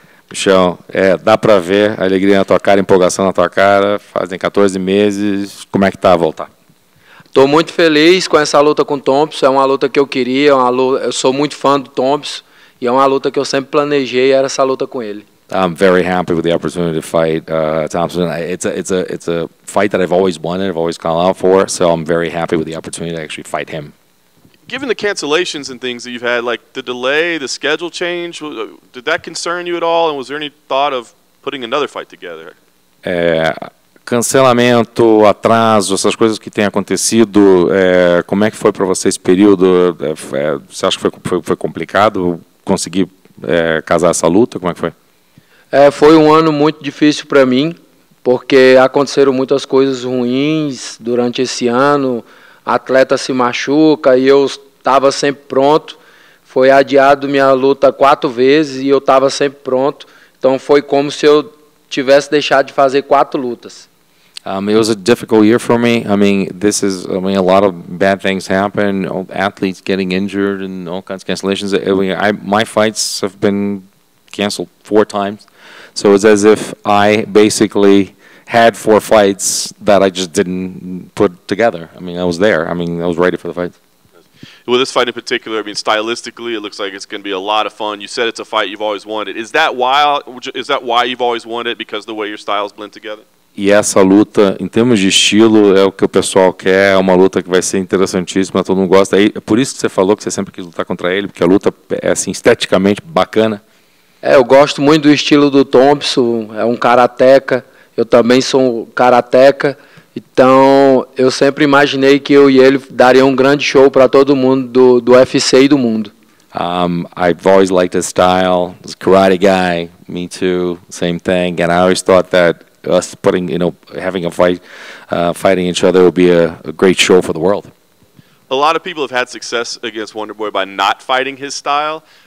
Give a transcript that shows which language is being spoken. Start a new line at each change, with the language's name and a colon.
Portuguese: Michel, dá para ver a alegria na tua cara, a empolgação na tua cara. Fazem 14 meses. Como é que tá a voltar? Estou muito feliz com essa luta com o Thompson. É uma luta que eu queria. Uma luta, eu sou muito fã do Thompson. E é uma luta que eu sempre planejei, era essa luta com ele.
English: I'm very happy with the opportunity to fight Thompson. It's a fight that I've always wanted, I've always called out for, so I'm very happy with the opportunity to actually fight him. Given the cancellations and things that you've had, like the delay, the schedule change, did that concern you at all? And was there any thought of putting another fight together?
Portuguese: Cancelamento, atraso, essas coisas que têm acontecido, como é que foi para você esse período? Você acha que foi complicado conseguir casar essa luta? Como é que foi? Foi um ano muito difícil para mim, porque aconteceram muitas coisas ruins durante esse ano. Atleta se machuca e eu estava sempre pronto. Foi adiado minha luta 4 vezes e eu estava sempre pronto. Então foi como se eu tivesse deixado de fazer 4 lutas.
English: It was a difficult year for me. I mean, a lot of bad things happen. Athletes getting injured and all kinds of cancellations. My fights have been canceled 4 times. So it's as if I basically had 4 fights that I just didn't put together. I mean, I was there. I mean, I was ready for the fight. Well, this fight in particular, I mean, stylistically, it looks like it's going to be a lot of fun. You said it's a fight you've always wanted. Is that why you've always wanted it? Because of the way your styles blend together?
Portuguese: E essa luta, em termos de estilo, é o que o pessoal quer, é uma luta que vai ser interessantíssima, todo mundo gosta. É por isso que você falou que você sempre quis lutar contra ele, porque a luta é assim, esteticamente bacana. Eu gosto muito do estilo do Thompson, é um karateka, eu também sou um karateka, então eu sempre imaginei que eu e ele dariam um grande show para todo mundo do UFC e do mundo.
English: I've always liked his style, this karate guy, me too, same thing, and I always thought that us putting, you know, having a fight, fighting each other would be a great show for the world. A lot of people have had success against Wonderboy by not fighting his style.